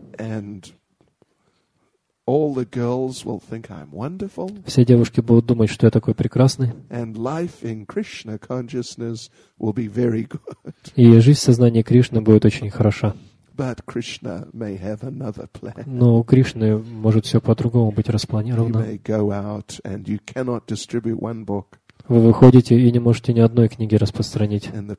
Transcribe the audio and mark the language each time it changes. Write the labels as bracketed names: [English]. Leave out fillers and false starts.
[English] And all the girls will think I'm wonderful. [Russian] Все девушки будут думать, что я такой прекрасный. [English] And life in Krishna consciousness will be very good. [Russian] И жизнь в сознании Кришны будет очень хороша. [English] But Krishna may have another plan. [Russian] Но у Кришны может все по-другому быть распланировано. [English] You may go out and you cannot distribute one book. [Russian] Вы выходите и не можете ни одной книги распространить.